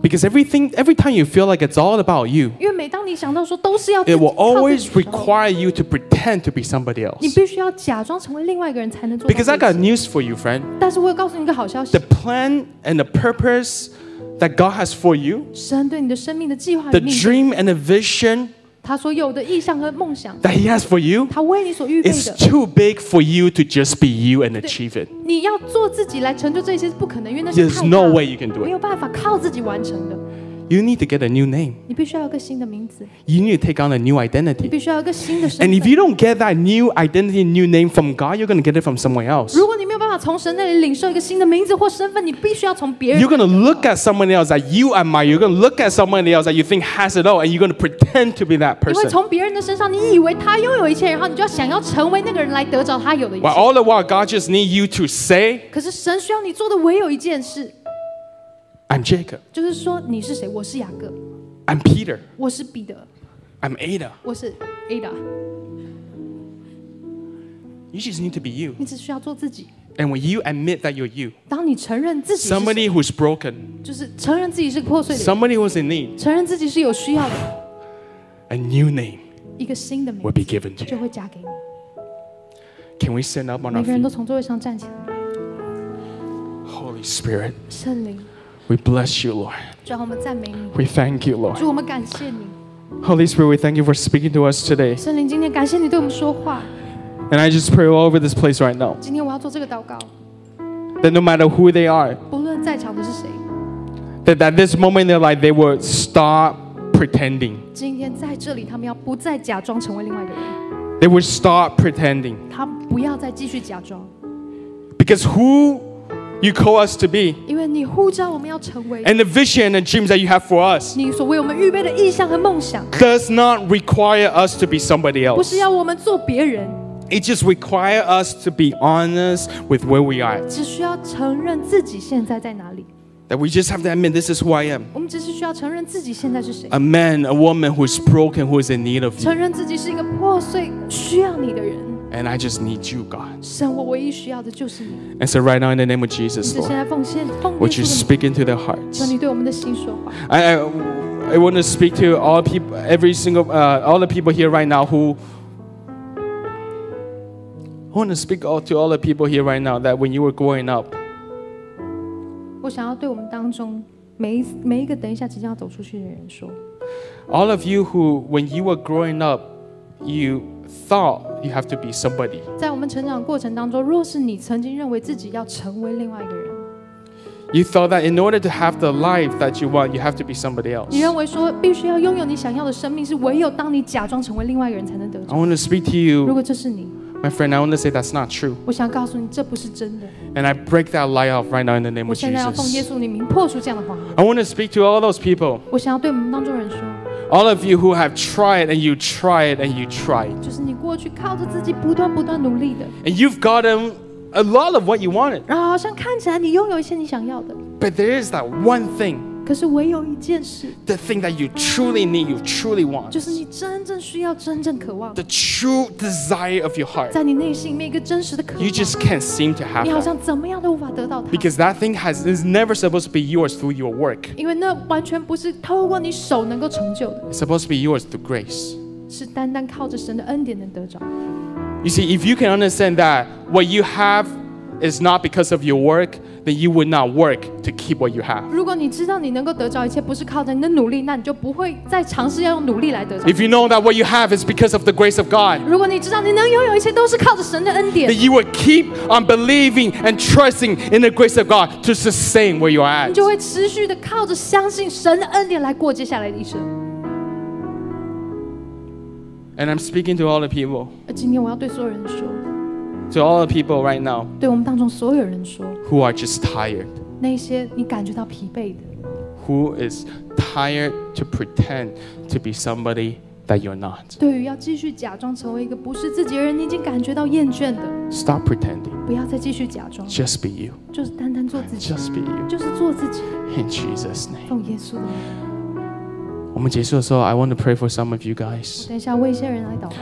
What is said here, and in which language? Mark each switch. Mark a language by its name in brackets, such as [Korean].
[English] Because everything, every time you feel like it's all about you, [Chinese] 因为每当你想到说都是要 [English] it will always require you to pretend to be somebody else. [Chinese] 你必须要假装成为另外一个人才能做 [English] Because I got news for you, friend. [Chinese] 但是我有告诉你一个好消息 [English] The plan and the purpose that God has for you, [Chinese] 神对你的生命的计划 [English] The dream and the vision. [Chinese] 他所有的意向和梦想 [English] that he has for you, [Chinese] 他为你所预备的 [English] is too big for you to just be you and achieve it. [Chinese] 你要做自己来成就这些是不可能，因为那是太大。 [English] There's no way you can do it. [Chinese] 没有办法靠自己完成的。 [English] You need to get a new name. [Chinese] 你必须要有个新的名字。 [English] You need to take on a new identity. [Chinese] 你必须要有个新的身份。 [English] And if you don't get that new identity, new name from God, you're going to get it from somewhere else. [Chinese] 如果你没有办法从神那里领受一个新的名字或身份，你必须要从别人。 [English] You're going to look at someone else that you admire. You're going to look at someone else that you think has it all, and you're going to pretend to be that person. [Chinese] 你会从别人的身上，你以为他拥有一切，然后你就要想要成为那个人来得着他有的一切。 [English] While all the while, God just needs you to say. [Chinese] 可是神需要你做的唯有一件事。 [English] I'm Jacob. [Chinese] 就是说你是谁？我是雅各。 [English] I'm Peter. [Chinese] 我是彼得。 [English] I'm Ada. [Chinese] 我是 Ada. [English] You just need to be you. [Chinese] 你只需要做自己。 [English] And when you admit that you're you, [Chinese] 当你承认自己是 [English] somebody who's broken, [Chinese] 就是承认自己是破碎的 [English] somebody who's in need, [Chinese] 承认自己是有需要的 [English] a new name, [Chinese] 一个新的名字 [English] will be given to you, [Chinese] 就会加给你。 [English] Can we stand up on our feet? [Chinese] 每个人都从座位上站起来。 [English] Holy Spirit, [Chinese] 圣灵。 [English] We bless you, Lord. [Chinese] 主啊，我们赞美你。 [English] We thank you, Lord. [Chinese] 主，我们感谢你。 [English] Holy Spirit, we thank you for speaking to us today. [Chinese] 圣灵，今天感谢你对我们说话。 [English] And I just pray all over this place right now. [Chinese] 今天我要做这个祷告。 [English] That no matter who they are, [Chinese] 不论在场的是谁。 [English] That at this moment in their life, they will stop pretending. [Chinese] 今天在这里，他们要不再假装成为另外一个人。 [English] They will stop pretending. [Chinese] 他们不要再继续假装。 [English] Because who? You call us to be. [Chinese] 因为你呼召我们要成为。 [English] And the vision and the dreams that you have for us. [Chinese] 你所为我们预备的意向和梦想。 [English] Does not require us to be somebody else. [Chinese] 不是要我们做别人。 [English] It just requires us to be honest with where we are. [Chinese] 只需要承认自己现在在哪里。 [English] That we just have to admit this is who I am. [Chinese] 我们只是需要承认自己现在是谁。 [English] A man, a woman who is broken, who is in need of you. [Chinese] 承认自己是一个破碎需要你的人。 [English] And I just need you, God. [Chinese] 神，我唯一需要的就是你。 [English] And so right now, in the name of Jesus, Lord, [Chinese] 现在奉献，奉献。 [English] Would you speak into their hearts? [Chinese] 求你对我们的心说话。 [English] I want to speak to all people, every single, all the people here right now who. I want to speak all to all the people here right now that when you were growing up, [Chinese] 我想要对我们当中每一个等一下即将要走出去的人说 [English] all of you who when you were growing up, you thought you have to be somebody. [Chinese] 在我们成长过程当中，若是你曾经认为自己要成为另外一个人 [English] you thought that in order to have the life that you want, you have to be somebody else. [Chinese] 你认为说必须要拥有你想要的生命，是唯有当你假装成为另外一个人才能得。 [English] I want to speak to you. [Chinese] 如果这是你。 [English] My friend, I want to say that's not true. [Chinese] 我想告诉你，这不是真的。 [English] And I break that lie off right now in the name of Jesus. [Chinese] 我现在要奉耶稣的名破除这样的话。 [English] I want to speak to all those people. [Chinese] 我想要对我们当中人说。 [English] All of you who have tried and you tried and you tried. [Chinese] 就是你过去靠着自己不断不断努力的。 [English] And you've gotten a lot of what you wanted. [Chinese] 然后好像看起来你拥有一些你想要的。 [English] But there is that one thing. [Chinese] 可是唯有一件事。 [English] The thing that you truly need, you truly want. [Chinese] 就是你真正需要、真正渴望。 [English] The true desire of your heart. [Chinese] 在你内心里面一个真实的渴望。 [English] You just can't seem to have. [Chinese] 你好像怎么样都无法得到它。 [English] Because that thing is never supposed to be yours through your work. [Chinese] 因为那完全不是透过你手能够成就的。 [English] It's supposed to be yours through grace. [Chinese] 是单单靠着神的恩典能得着。 [English] You see, if you can understand that what you have is not because of your work. Then you would not work to keep what you have. [Chinese] 如果你知道你能够得着一切不是靠着你的努力，那你就不会再尝试要用努力来得着。 [English] If you know that what you have is because of the grace of God, [Chinese] 如果你知道你能拥有一切都是靠着神的恩典 [English] ，then you would keep on believing and trusting in the grace of God to sustain where you are at. [Chinese] 你就会持续的靠着相信神的恩典来过接下来的一生。 [English] And I'm speaking to all the people. [Chinese] 今天我要对所有人说。 [English] To all the people right now, [Chinese] 对我们当中所有人说 [English] who are just tired, [Chinese] 那些你感觉到疲惫的 [English] who is tired to pretend to be somebody that you're not, [Chinese] 对于要继续假装成为一个不是自己的人，你已经感觉到厌倦的 [English] stop pretending, [Chinese] 不要再继续假装 [English] just be you, [Chinese] 就是单单做自己 [English] just be you, [Chinese] 就是做自己 [English] in Jesus' name, [Chinese] 奉耶稣的名。我们结束的时候 [English] I want to pray for some of you guys. [Chinese] 我等一下为一些人来祷告。